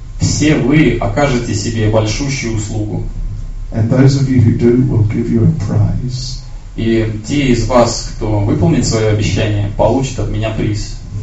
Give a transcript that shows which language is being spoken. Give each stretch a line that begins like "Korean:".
Russian: Все вы окажете себе большущую услугу.
English: And those of you who do will give you a prize.
Russian: И те из вас, кто выполнит свое обещание, получат от меня приз.